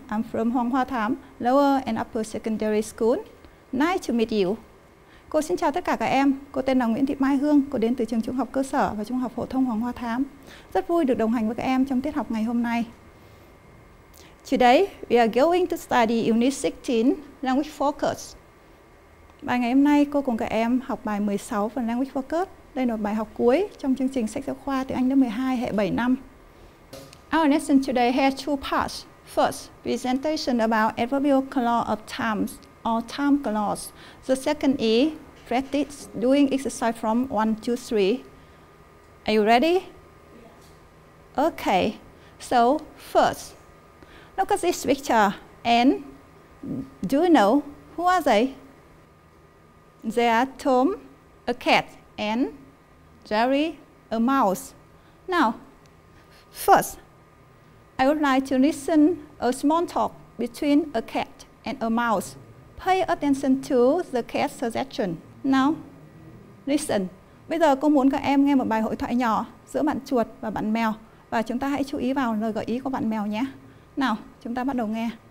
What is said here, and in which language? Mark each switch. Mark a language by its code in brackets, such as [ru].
[en] I'm from Hoàng Hoa Thám, Lower and Upper Secondary School. Nice to meet you. [vi] Cô xin chào tất cả các em. Cô tên là Nguyễn Thị Mai Hương. Cô đến từ trường trung học cơ sở và trung học phổ thông Hoàng Hoa Thám. Rất vui được đồng hành với các em trong tiết học ngày hôm nay. [en] Today, we are going to study Unit 16, Language Focus. [vi] Bài ngày hôm nay, cô cùng các em học bài 16 phần Language Focus. Đây là bài học cuối trong chương trình sách giáo khoa tiếng Anh lớp 12 hệ 7 năm. [en] Our lesson today has two parts. First, presentation about adverbial clause of times or time clause. The second is practice doing exercise from 1 to 3. Are you ready? Okay. So first, look at this picture and do you know who are they? They are Tom, a cat, and Jerry, a mouse. Now, first, I would like to listen a small talk between a cat and a mouse. Pay attention to the cat's suggestion. Now, listen. [vi] Bây giờ cô muốn các em nghe một bài hội thoại nhỏ giữa bạn chuột và bạn mèo. Và chúng ta hãy chú ý vào lời gợi ý của bạn mèo nhé. Nào, chúng ta bắt đầu nghe.